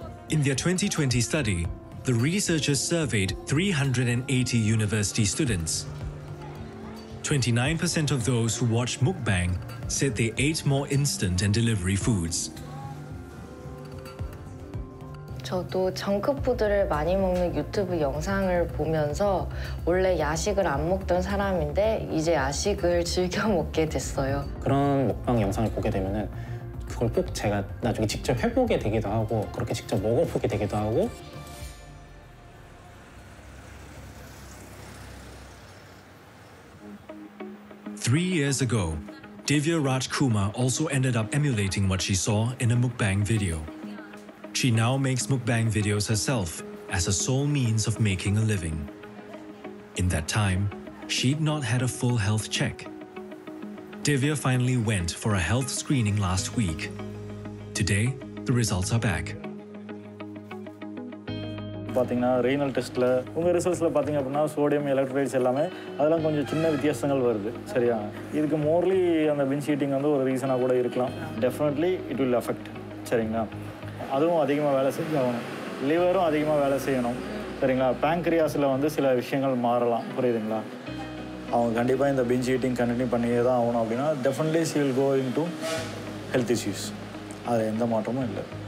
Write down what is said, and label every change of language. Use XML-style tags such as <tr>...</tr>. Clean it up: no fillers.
<en>In their 2020 study, the researchers surveyed 380 university students. 29% of those who watched mukbang said they ate more instant and delivery foods.</en> <ko>저도 정크푸드를 많이 먹는 유튜브 영상을 보면서 원래 야식을 안 먹던 사람인데 이제 야식을 즐겨 먹게 됐어요. 그런 먹방 영상을 보게 되면은 그걸 꼭 제가 나중에 직접 해보게 되기도 하고 그렇게 직접 먹어보게 되기도 하고</ko> <en>3 years ago, Divya Rajkumar also ended up emulating what she saw in a mukbang video. She now makes mukbang videos herself as a sole means of making a living. In that time, she'd not had a full health check. Divya finally went for a health screening last week. Today, the results are back. Renal test, sodium electrolytes, all that is a small difference. Okay. For this, morally, the binge eating is a reason. Definitely, it will affect. Okay.</en> <ta>அதுவும் அதிகமாக வேலை செய்யணும் லிவரும் அதிகமாக வேலை செய்யணும் சரிங்களா பேங்க்ரியாஸில் வந்து சில விஷயங்கள் மாறலாம் புரியுதுங்களா அவங்க கண்டிப்பாக இந்த பிஞ்ச் ஈட்டிங் கண்டினியூ பண்ணியே தான் ஆகணும் அப்படின்னா</ta> <en>definitely she will go into health issues</en> <ta>அது எந்த மாற்றமும் இல்லை</ta>